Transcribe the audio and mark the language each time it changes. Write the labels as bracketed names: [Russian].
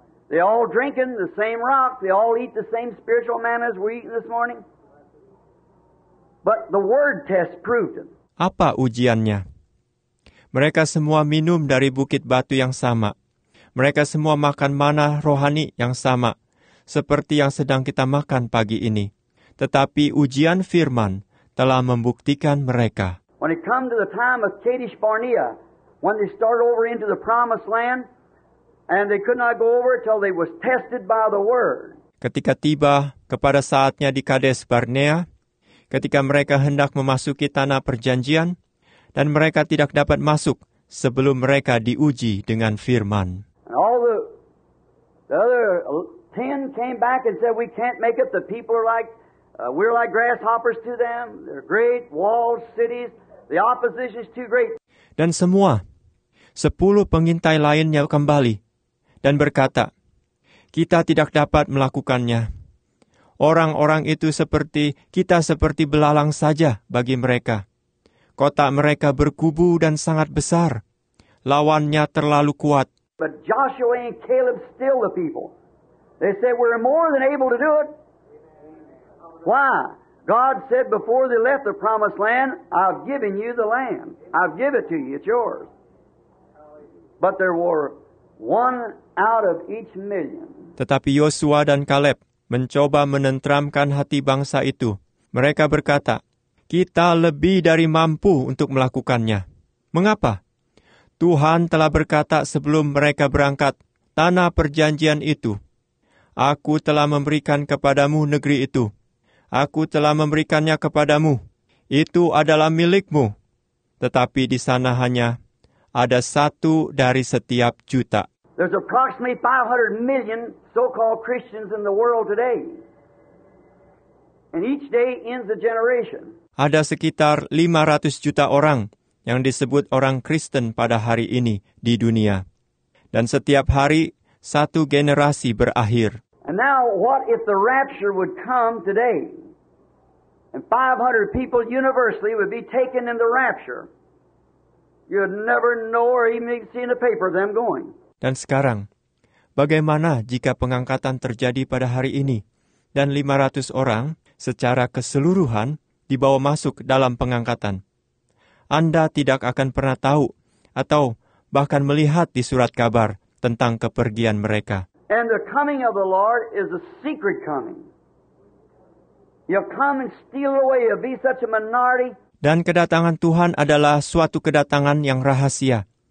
[English] They all drinking the same rock, they all eat the same spiritual manna as we eating this morning. But the word test proved it. [Indonesian] Apa ujiannya? Mereka semua minum dari bukit batu yang sama. Mereka semua makan manna rohani yang sama, seperti yang sedang kita makan pagi ini. Tetapi ujian firman telah membuktikan mereka. [English] When it come to the time of Kadesh Barnea, when they started over into the promised land, and they could not go over till they was tested by the word. [Indonesian] Ketika tiba kepada saatnya di Kadesh Barnea, ketika mereka hendak memasuki tanah perjanjian, dan mereka tidak dapat masuk sebelum mereka diuji dengan firman. [English] And all the other 10 came back and said, "We can't make it. The people are like we're like grasshoppers to them. They're great walled cities. The opposition is too great." [Indonesian] Dan semua, 10 pengintai lainnya kembali dan berkata, "Kita tidak dapat melakukannya. Orang-orang itu seperti, kita seperti belalang saja bagi mereka. Kota mereka berkubu dan sangat besar. Lawannya terlalu kuat." [English] But Joshua and Caleb still the people. They said, "We're more than able to do it." Why? God said before they left the promised land, "I've given you the land. I've given it to you. It's yours." But there were one out of each million. [Indonesian] Tetapi Yosua dan Caleb mencoba menenteramkan hati bangsa itu. Mereka berkata, "Kita lebih dari mampu untuk melakukannya. Mengapa? Tuhan telah berkata sebelum mereka berangkat, tanah perjanjian itu, 'Aku telah memberikan kepadamu negeri itu. Aku telah memberikannya kepadamu. Itu adalah milikmu.' Tetapi di sana hanya ada satu dari setiap juta." [English] There's approximately 500 million so-called Christians in the world today. And each day ends a generation. [Indonesian] Ada sekitar 500 juta orang yang disebut orang Kristen pada hari ini di dunia. Dan setiap hari satu generasi berakhir. [English] And now what if the rapture would come today? And 500 people universally would be taken in the rapture. You'd never know or even see in the paper them going. [Indonesian] Dan sekarang, bagaimana jika pengangkatan terjadi pada hari ini dan 500 orang secara keseluruhan dibawa masuk dalam pengangkatan? Anda tidak akan pernah tahu atau bahkan melihat di surat kabar tentang kepergian mereka. [English] And the coming of the Lord is a secret coming. You'll come and steal away. You'll be such a minority. [Indonesian] Dan kedatangan Tuhan adalah suatu kedatangan yang rahasia.